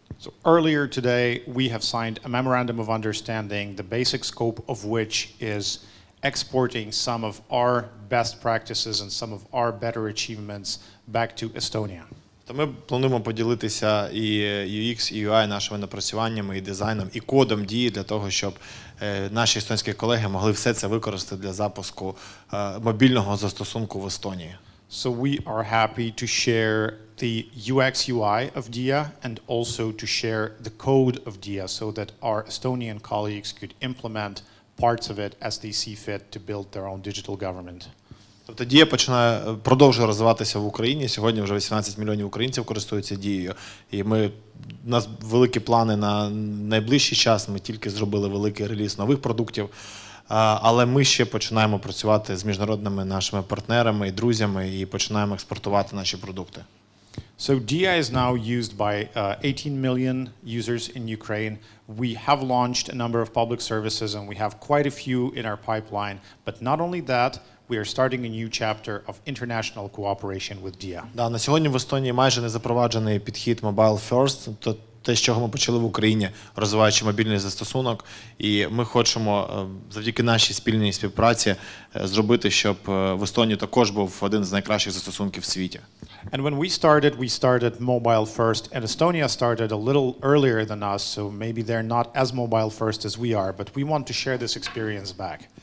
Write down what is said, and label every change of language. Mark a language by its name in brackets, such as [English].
[English] So earlier today we have signed a memorandum of understanding, the basic scope of which is exporting some of our best practices and some of our better achievements back to Estonia. [Ukrainian] То ми плануємо поділитися і UX, і UI нашими напрацюваннями, і дизайном, і кодом дії для того, щоб наші естонські колеги могли все це використати для запуску мобільного застосунку в Естонії. [English] So we are happy to share the UX UI of DIA and also to share the code of DIA so that our Estonian colleagues could implement parts of it as they see fit to build their own digital government. [Ukrainian] Тобто Дія продовжує розвиватися в Україні. Сьогодні вже 18 мільйонів українців користуються Дією. І у нас великі плани на найближчий час. Ми тільки зробили великий реліз нових продуктів. Але ми ще починаємо працювати з міжнародними нашими партнерами і друзями і починаємо експортувати наші продукти. [English] So Dia is now used by 18 million users in Ukraine. We have launched a number of public services and we have quite a few in our pipeline. But not only that, we are starting a new chapter of international cooperation with Dia. [Ukrainian] Да, на сьогодні в Естонії майже не запроваджений підхід Mobile First, то те, з чого ми почали в Україні, розвиваючи мобільний застосунок. І ми хочемо, завдяки нашій спільній співпраці, зробити, щоб в Естонії також був один з найкращих застосунків в світі. [English] And when we started mobile first, and Estonia started a little earlier than us, so maybe they're not as mobile first as we are, but we want to share this experience back.